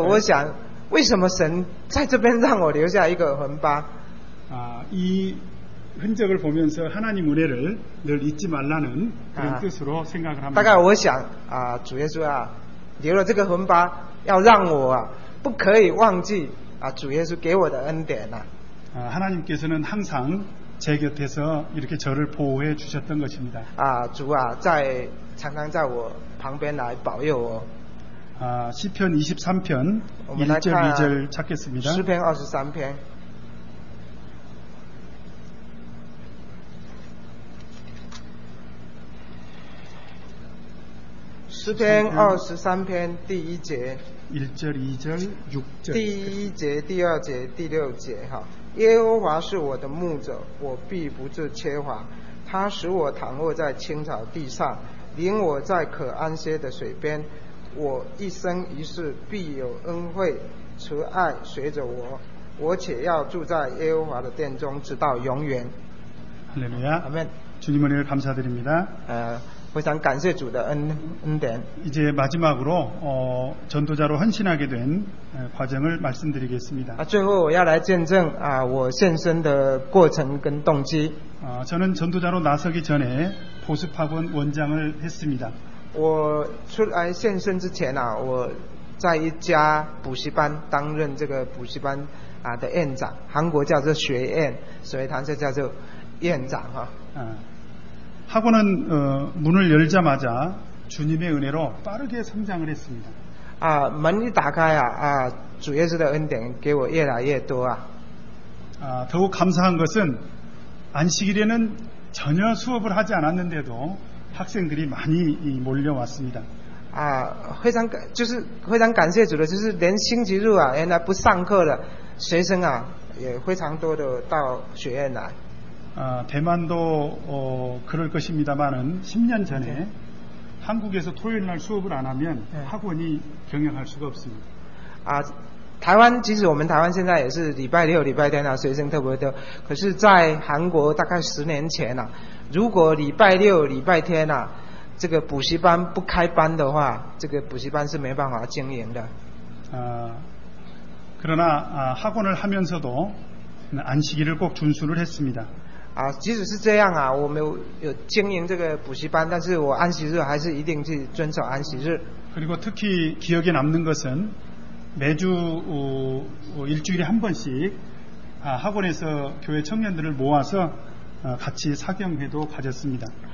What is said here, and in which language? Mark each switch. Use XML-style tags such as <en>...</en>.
<zh>요我想为什么神在这边让我留下一个痕疤</zh> <ko>이흔적을보면서하나님은혜를늘잊지말라는그런뜻으로생각을합니다</ko> <zh>大概我想啊主耶稣啊留了这个痕疤要让我啊不可以忘记아주예수给我的恩典</zh> <ko>하나님께서는항상제곁에서이렇게저를보호해주셨던것입니다</ko> <zh>아주아在常常在我旁边来保佑我</zh> <ko>시편23편1절2절찾겠습니다 시편23편시편23편</ko> <zh>第一节</zh> <ko>1절2절6절</ko> <zh>第一节第二节第六节耶和华是我的牧者我必不致缺乏他使我躺卧在青草地上领我在可安歇的水边我一生一世必有恩惠慈爱随着我我且要住在耶和华的殿中直到永远</zh> <ko>할렐루야아멘주님을감사드립니다</ko> <zh>非常感谢主的恩典</zh> <ko>이제마지막으로전도자로헌신하게된과정을말씀드리겠습니다</ko> <zh>最后我要来见证啊我献身的过程跟动机</zh> <ko>저는전도자로나서기전에보습학원원장을했습니다</ko> <zh>我出来献身之前啊我在一家补习班担任这个补习班啊的院长韩国叫做学院所以他就叫做院长啊</zh> <ko>학원은문을열자마자주님의은혜로빠르게성장을했습니다 아문이</ko> <zh>打开啊啊主耶稣的恩典给我越来越多啊</zh> <ko>아더욱감사한것은안식일에는전혀수업을하지않았는데도학생들이많이몰려왔습니다</ko> <zh>아非常就是非常感谢主的就是连星期日啊原来不上课的学生啊也非常多的到学院来</zh> <ko>대만도그럴것입니다만은10년전에한국에서토요일날수업을안하면학원이경영할수가없습니다</ko> <zh>아台湾其实我们台湾现在也是礼拜六礼拜天啊学生特别多可是在韩国大概十年前啊如果礼拜六礼拜天啊这个补习班不开班的话这个补习班是没办法经营的</zh> <ko>아그러나학원을하면서도안식일을꼭준수를했습니다</ko> <zh>啊即使是这样啊我们 有经营这个补习班但是我安息日还是一定去遵守安息日</zh> <ko>그리고특히기억에남는것은매주일주일에한번씩학원에서교회청년들을모아서같이사경회도가졌습니다</ko>